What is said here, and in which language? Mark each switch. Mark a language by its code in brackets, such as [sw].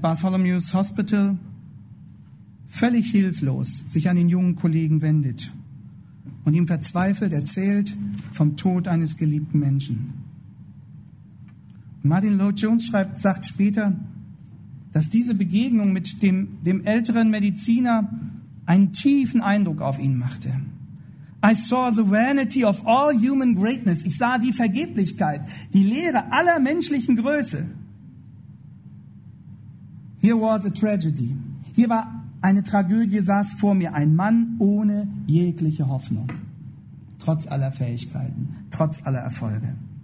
[de] Bartholomew's Hospital völlig hilflos sich an den jungen Kollegen wendet und ihm verzweifelt erzählt vom Tod eines geliebten Menschen. Martin Lloyd-Jones sagt später, dass diese Begegnung mit dem älteren Mediziner einen tiefen Eindruck auf ihn machte. [en] I saw the vanity of all human greatness. [de] Ich sah die Vergeblichkeit, die Leere aller menschlichen Größe. [en] Here was a tragedy. [de] Hier war eine Tragödie, saß vor mir. Ein Mann ohne jegliche Hoffnung. Trotz aller Fähigkeiten, trotz aller Erfolge.